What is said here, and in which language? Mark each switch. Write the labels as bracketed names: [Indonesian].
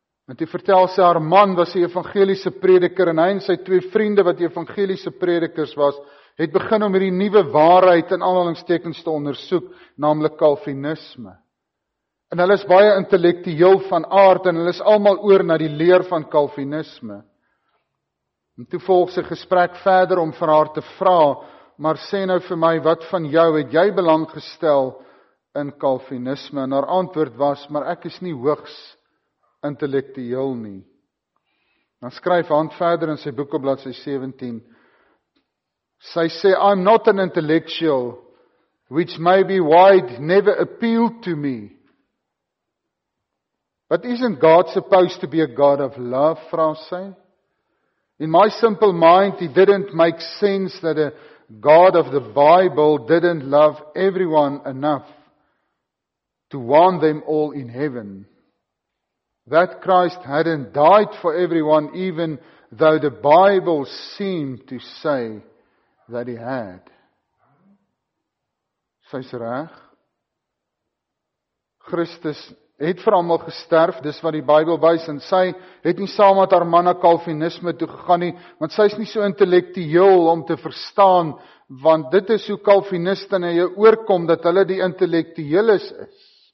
[Afrikaans] En toe vertel sy, haar man was die evangeliese prediker, en hy en sy twee vriende wat die evangeliese predikers was, het begin om hierdie nuwe waarheid in aanhalingstekens te ondersoek, namelijk Calvinisme. En hulle is baie intellektueel van aard, en hulle is allemaal oor na die leer van Calvinisme. En toe volg sy gesprek verder om vir haar te vra, maar sê nou vir my, wat van jou het jy belang gestel in Calvinisme? En haar antwoord was, maar ek is nie hoogs intellektueel nie. Dan skryf hand verder in sy boek op bladsy 17, sy sê, [English] I'm not an intellectual, which may be why it never appealed to me. But isn't God supposed to be a God of love, [Afrikaans] vra sy? [English] In my simple mind, it didn't make sense that a God of the Bible didn't love everyone enough to want them all in heaven. That Christ hadn't died for everyone, even though the Bible seemed to say that He had. [Afrikaans] Sy's reg. Christus het vir almal gesterf, dis wat die Bybel wys, en sy het nie saam met haar manne Calvinisme toe gegaan nie, want sy is nie so intellektueel om te verstaan, want dit is hoe Calviniste na jou oorkom, dat hulle die intellektueles is.